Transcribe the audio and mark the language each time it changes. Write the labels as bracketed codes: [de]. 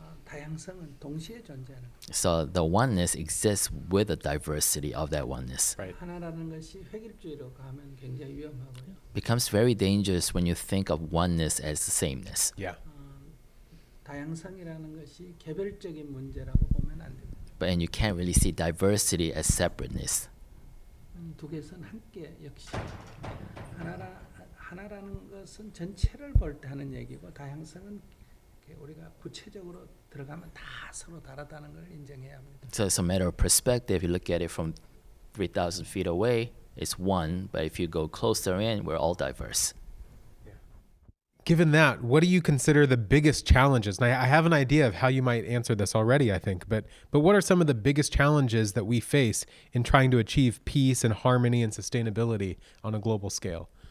[ko] 다양성은 동시에 존재하는. [en] So the oneness exists with the diversity of that oneness. Right. [ko] 하나라는 것이 획일주의로 가면 굉장히 위험하고요. [en] Becomes very dangerous when you think of oneness as the sameness. Yeah. [ko] 다양성이라는 것이 개별적인 문제라고 보면 안 됩니다. [en] But and you can't really see diversity as separateness. [ko] 두 개선 함께 역시 하나라 하나라는 것은 전체를 볼 때 하는 얘기고 다양성은 우리가 구체적으로 들어가면 다 서로 다르다는 걸 인정해야 합니다. [en] So it's a matter of perspective. If you look at it from 3,000 feet away, it's one. But if you go closer in, we're all diverse. Given that, what do you consider the biggest challenges? And I have an idea of how you might answer this already, I think, but what are some of the biggest challenges that we face in trying to achieve peace and harmony and sustainability on a global scale?